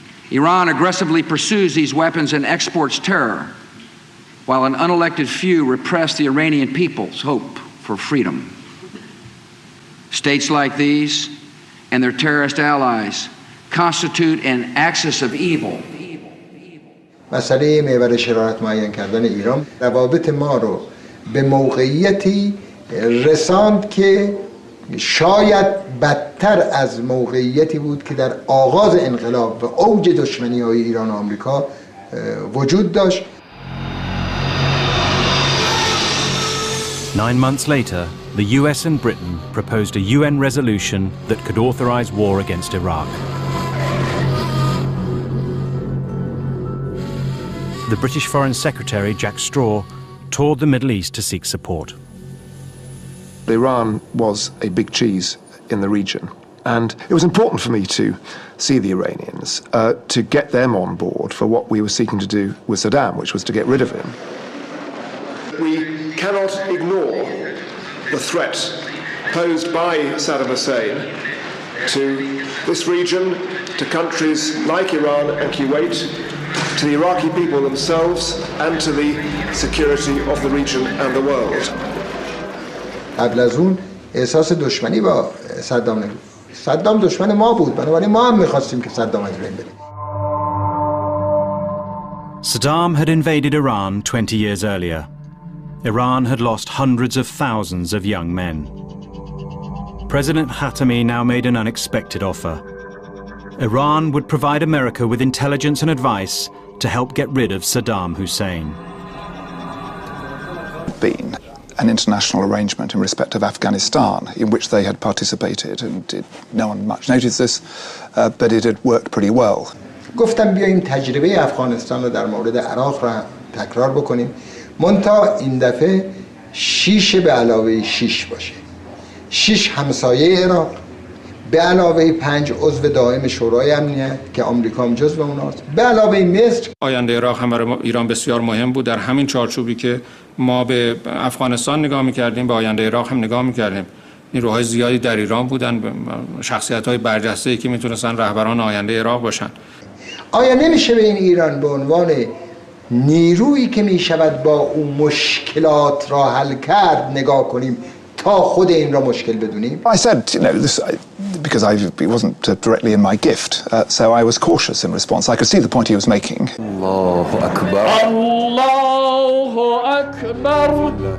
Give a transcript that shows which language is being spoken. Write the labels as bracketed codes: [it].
[en] Iran aggressively pursues these weapons and exports terror, while an unelected few repress the Iranian people's hope for freedom. States like these and their terrorist allies constitute an axis of evil. [fa] مسئله محور شرارت معین کردن ایران روابط ما رو به موقعیتی رساند که شاید بدتر از موقعیتی بود که در آغاز انقلاب و اوج دشمنی های ایران و آمریکا وجود داشت. [en] 9 months later, the US and Britain proposed a UN resolution that could authorize war against Iraq. The British Foreign Secretary, Jack Straw, toured the Middle East to seek support. Iran was a big cheese in the region, and it was important for me to see the Iranians, to get them on board for what we were seeking to do with Saddam, which was to get rid of him. We cannot ignore the threat posed by Saddam Hussein to this region, to countries like Iran and Kuwait, to the Iraqi people themselves, and to the security of the region and the world. [fa] قبل از اون احساس دشمنی با صدام نبود. صدام دشمن ما بود. بنابراین ما هم می‌خواستیم که صدام از بین بره. [en] Saddam had invaded Iran 20 years earlier. Iran had lost hundreds of thousands of young men. President Khatami now made an unexpected offer. Iran would provide America with intelligence and advice to help get rid of Saddam Hussein. Been an international arrangement in respect of Afghanistan, in which they had participated, and did, no one much noticed this, but it had worked pretty well. [fa] گفتم بیایم تجربه افغانستان رو در مورد عراق را تکرار بکنیم. منتها این دفعه شیش به علاوه شیش باشه. شیش همسایه عراق به علاوه پنج عضو دائم شورای امنیت که آمریکا هم جزو اوناست به علاوه مصر. آینده عراق هم برای ایران بسیار مهم بود. در همین چارچوبی که ما به افغانستان نگاه میکردیم به آینده عراق هم نگاه میکردیم. نیروهای زیادی در ایران بودن، شخصیت‌های برجسته‌ای که میتونستن رهبران آینده عراق باشن. آیا نمیشه به این ایران به عنوان نیرویی که میشود با او مشکلات را حل کرد نگاه کنیم تا خود این را مشکل بدونیم؟ [en] I said, you know, this, because I, it wasn't directly in my gift, so I was cautious in response. I could see the point he was making. [ar] الله اکبر. الله اکبر.